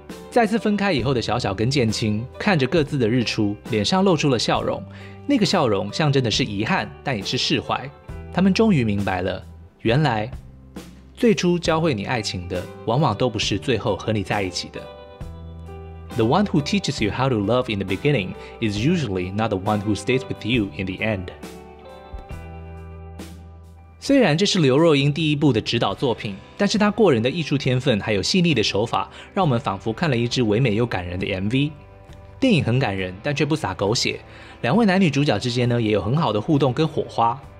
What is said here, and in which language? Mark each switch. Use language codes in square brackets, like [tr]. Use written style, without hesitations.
[zh] 再次分开以后的小小跟建青看着各自的日出，脸上露出了笑容，那个笑容象征的是遗憾，但也是释怀。他们终于明白了，原来最初教会你爱情的，往往都不是最后和你在一起的。 [en] The one who teaches you how to love in the beginning is usually not the one who stays with you in the end. [zh] 虽然这是刘若英第一部的指导作品，但是她过人的艺术天分还有细腻的手法，让我们仿佛看了一支唯美又感人的 MV。电影很感人，但却不洒狗血。两位男女主角之间呢，也有很好的互动跟火花。